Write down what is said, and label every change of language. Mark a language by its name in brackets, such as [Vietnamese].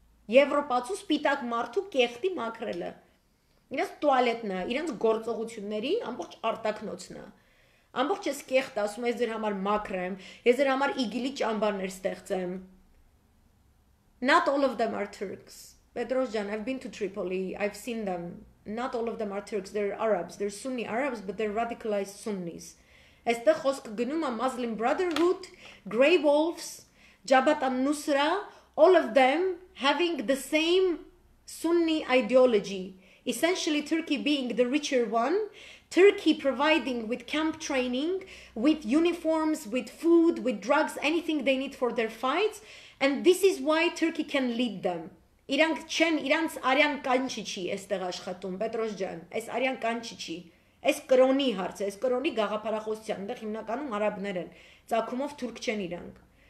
[Armenian] Եվրոպացու սպիտակ մարդու կեղտի մաքրելը։ Իրանց տուալետն է, իրանց գործողությունների ամբողջ արտակնոցն է։ Ամբողջ ես կեղտ ասում ես ձեր համար մաքրեմ, ես ձեր համար իգիլի ճամբարներ ստեղծեմ։ [English] Not all of them are Turks. Petros jan, I've been to Tripoli, I've seen them. Not all of them are Turks, they're Arabs, they're Sunni Arabs, but they're radicalized Sunnis. [Armenian] Այստեղ խոսքը գնում է [English] Muslim Brotherhood, Grey Wolves, Jabhat al-Nusra, all of them having the same Sunni ideology. Essentially Turkey being the richer one, Turkey providing with camp training, with uniforms, with food, with drugs, anything they need for their fights, and this is why Turkey can lead them. [Armenian] Իրանք չեն, իրանց արյան կանչի չի այստեղ աշխատում, Պետրոս ջան, այս արյան կանչի չի, այս կրոնի հարց, այս կրոնի գաղափարախոսության, այնտեղ հիմնականում արաբներ են, ծագումով թուրք չեն իրանք։